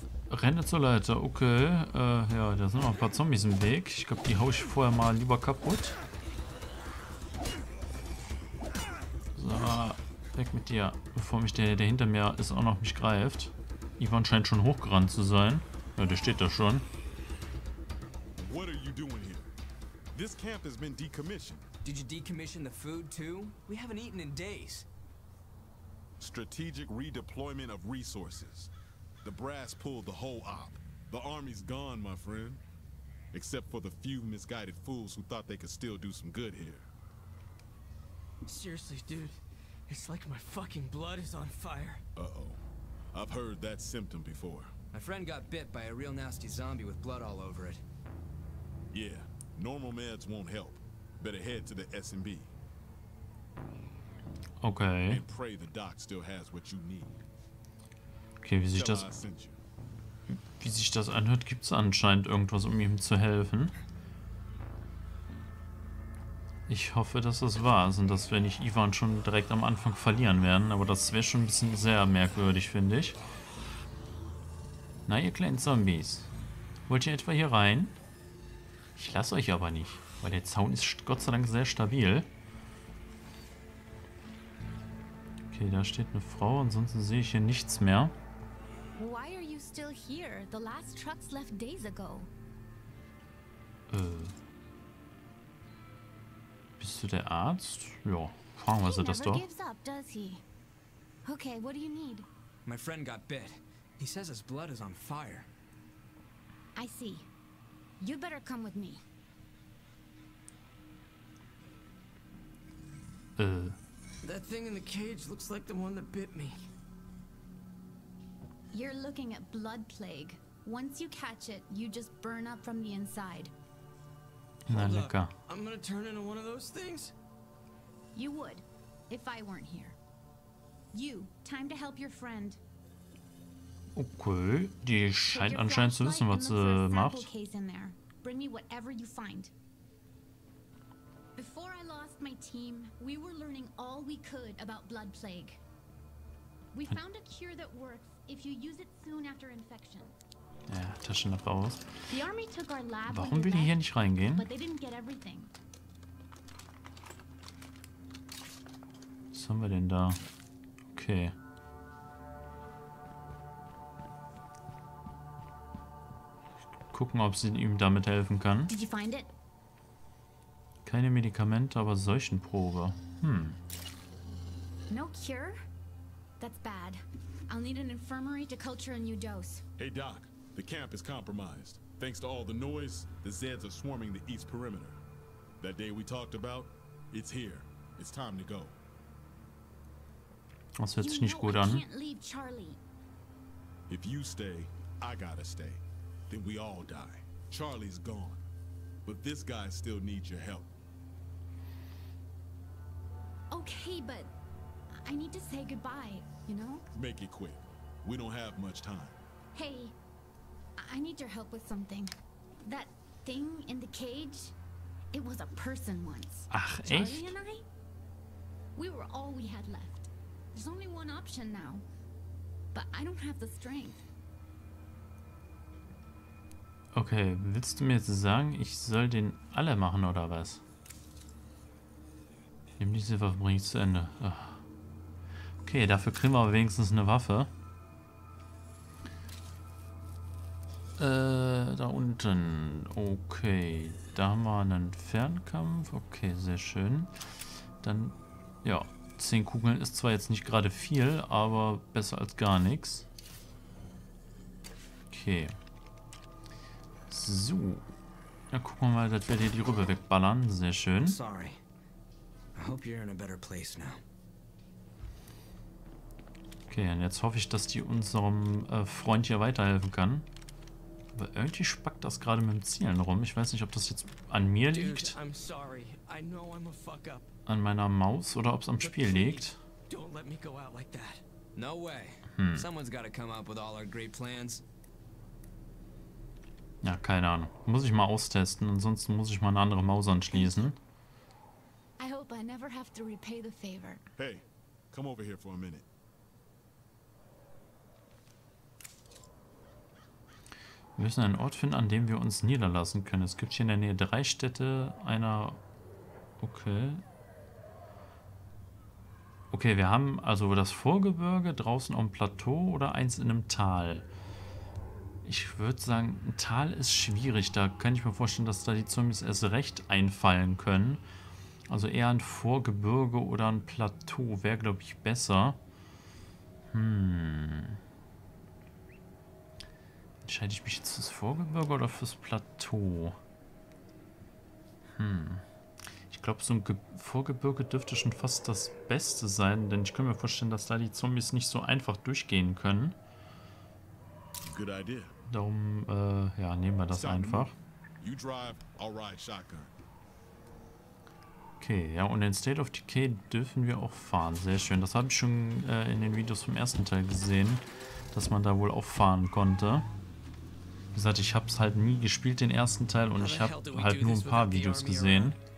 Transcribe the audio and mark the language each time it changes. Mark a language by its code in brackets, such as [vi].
[de] Renne zur Leiter, okay. Ja, da sind noch ein paar Zombies im Weg. Ich glaube, die hau ich vorher mal lieber kaputt. So, weg mit dir. Bevor mich der hinter mir ist, auch noch mich greift. Ivan scheint schon hochgerannt zu sein. Ja, der steht da schon. [en] What are you doing here? This camp has been decommissioned. Did you decommission the food too? We haven't eaten in days. Strategic redeployment of resources. The brass pulled the whole op. The army's gone, my friend. Except for the few misguided fools who thought they could still do some good here. Seriously, dude. It's like my fucking blood is on fire. Uh-oh. I've heard that symptom before. My friend got bit by a real nasty zombie with blood all over it. Yeah, normal meds won't help. Better head to the S&B. Okay. And pray the doc still has what you need. [de] Okay, wie sich das... Wie sich das anhört, gibt's anscheinend irgendwas, um ihm zu helfen. Ich hoffe, dass das wahr ist und dass wir nicht Ivan schon direkt am Anfang verlieren werden. Aber das wäre schon ein bisschen sehr merkwürdig, finde ich. Na, ihr kleinen Zombies. Wollt ihr etwa hier rein? Ich lasse euch aber nicht, weil der Zaun ist Gott sei Dank sehr stabil. Okay, da steht eine Frau, ansonsten sehe ich hier nichts mehr. [en] Why are you still here? The last trucks left days ago. [de] Bist du der Arzt? Ja, fragen wir sie das doch. [en] Gives up, does he? Okay, what do you need? My friend got bit. He says his blood is on fire. I see. You better come with me. That thing in the cage looks like the one that bit me. You're looking at blood plague. Once you catch it, you just burn up from the inside. [de] Na, lecker. [en] I'm gonna turn into one of those things? You would, if I weren't here. You, time to help your friend. [de] Okay, die scheint anscheinend zu wissen, was sie macht. [en] Case in there. Bring me whatever you find. Before I lost my team, we were learning all we could about blood plague. We found a cure that works if you use it soon after infection. [de] Ja, Taschenlampe aus. [en] The army took our lab. [de] Warum will die hier nicht reingehen? [en] But they didn't get everything. [de] Was haben wir denn da? Okay. Gucken, ob sie ihm damit helfen kann. [en] Did you find it? [de] Keine Medikamente, aber Seuchenprobe. [en] No cure? That's bad. I'll need an infirmary to culture a new dose. Hey Doc, the camp is compromised. Thanks to all the noise, the Zeds are swarming the east perimeter. That day we talked about, it's here. It's time to go. [de] Das hört sich nicht gut an. [en] You can't leave Charlie. If you stay, I gotta stay. Then we all die. Charlie's gone. But this guy still needs your help. Okay, but I need to say goodbye, you know? Make it quick. We don't have much time. Hey, I need your help with something. That thing in the cage, it was a person once. [de] Ach, Charlie echt? [en] And I? We were all we had left. There's only one option now. But I don't have the strength. [de] Okay, willst du mir jetzt sagen, ich soll den alle machen, oder was? Nimm diese Waffe, bring ich zu Ende. Ach. Okay, dafür kriegen wir aber wenigstens eine Waffe. Da unten. Okay, da haben wir einen Fernkampf. Okay, sehr schön. Dann, ja, 10 Kugeln ist zwar jetzt nicht gerade viel, aber besser als gar nichts. Okay. So, na gucken wir mal, dass wir dir die Rübe wegballern. Sehr schön. [en] Sorry. I hope you're in a better place now. [de] Okay, und jetzt hoffe ich, dass die unserem Freund hier weiterhelfen kann. Aber irgendwie spackt das gerade mit dem Zielen rum. Ich weiß nicht, ob das jetzt an mir liegt. [en] Dude, I'm sorry. I know I'm a fuck up. [de] An meiner Maus oder ob es am Spiel liegt. [en] Don't let me go out like that. No way. Someone's gotta come up with all our great plans. [de] Ja, keine Ahnung. Muss ich mal austesten, ansonsten muss ich mal eine andere Maus anschließen. [en] I hope I never have to repay the favor. Hey, come over here for a minute. [de] Wir müssen einen Ort finden, an dem wir uns niederlassen können. Es gibt hier in der Nähe drei Städte einer... Okay. Okay, wir haben also das Vorgebirge draußen am Plateau oder eins in einem Tal. Ich würde sagen, ein Tal ist schwierig. Da könnte ich mir vorstellen, dass da die Zombies erst recht einfallen können. Also eher ein Vorgebirge oder ein Plateau wäre, glaube ich, besser. Entscheide ich mich jetzt fürs Vorgebirge oder fürs Plateau? Ich glaube, so ein Vorgebirge dürfte schon fast das Beste sein, denn ich kann mir vorstellen, dass da die Zombies nicht so einfach durchgehen können. [en] Good idea. [de] Darum, ja, nehmen wir das einfach. [en] You drive, I'll ride shotgun. [de] Okay, ja, und in State of Decay dürfen wir auch fahren. Sehr schön. Das habe ich schon in den Videos vom ersten Teil gesehen, dass man da wohl auch fahren konnte. Wie gesagt, ich habe es halt nie gespielt, den ersten Teil, und ich habe halt nur ein paar Videos gesehen.